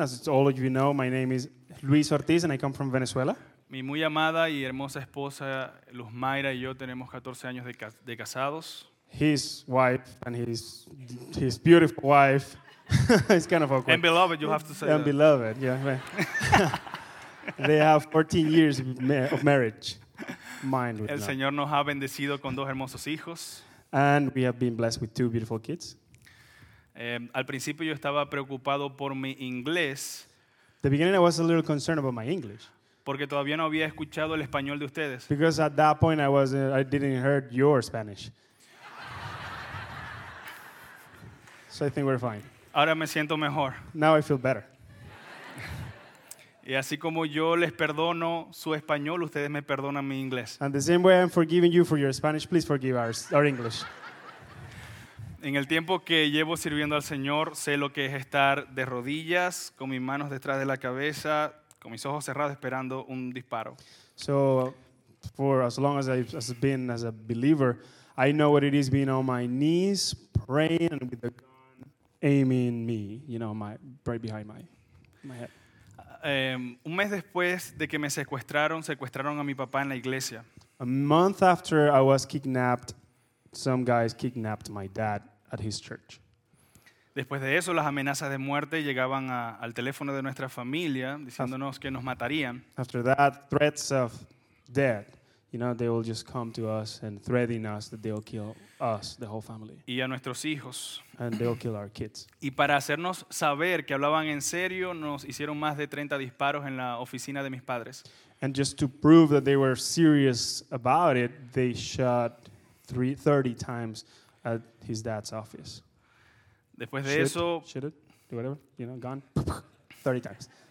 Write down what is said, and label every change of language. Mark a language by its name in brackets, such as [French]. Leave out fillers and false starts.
[English] As all of you know, my name is Luis Ortiz, and I come from Venezuela. [Spanish] Mi muy amada y hermosa esposa, Luz Mayra, y yo tenemos 14 años de casados. [English] His wife and his beautiful wife. It's kind of awkward. And beloved, you have to say and that. And beloved, yeah. They have 14 years of marriage. Mine [Spanish] El Señor nos ha bendecido con dos hermosos hijos. [English] And we have been blessed with two beautiful kids. [Spanish] Al principio yo estaba preocupado por mi inglés. [English] The beginning I was a little concerned about my English. [Spanish] Porque todavía no había escuchado el español de ustedes. [English] Because at that point I didn't heard your Spanish. So I think we're fine. [Spanish] Ahora me siento mejor. [English] Now I feel better. [Spanish] Y así como yo les perdono su español, ustedes me perdonan mi inglés. [English] And the same way I'm forgiving you for your Spanish, please forgive our English. [Spanish] En el tiempo que llevo sirviendo al Señor, sé lo que es estar de rodillas, con mis manos detrás de la cabeza, con mis ojos cerrados, esperando un disparo. [English] So, for as long as I've been as a believer, I know what it is being on my knees, praying, and with the gun aiming me, you know, right behind my head. [Spanish] Un mes después de que me secuestraron a mi papá en la iglesia. [English] A month after I was kidnapped, some guys kidnapped my dad at his church. [Spanish] Después de eso, las amenazas de muerte llegaban al teléfono de nuestra familia, diciéndonos que nos matarían. [English] After that, threats of death. You know, they will just come to us and threaten us that they will kill us, the whole family. [Spanish] Y a nuestros hijos. [English] And they will kill our kids. [Spanish] Y para hacernos saber que hablaban en serio, nos hicieron más de 30 disparos en la oficina de mis padres. [English] And just to prove that they were serious about it, they shot 30 times at his dad's office. [Spanish] Después de eso... [English] Shoot it, do whatever, you know, gun, 30 times.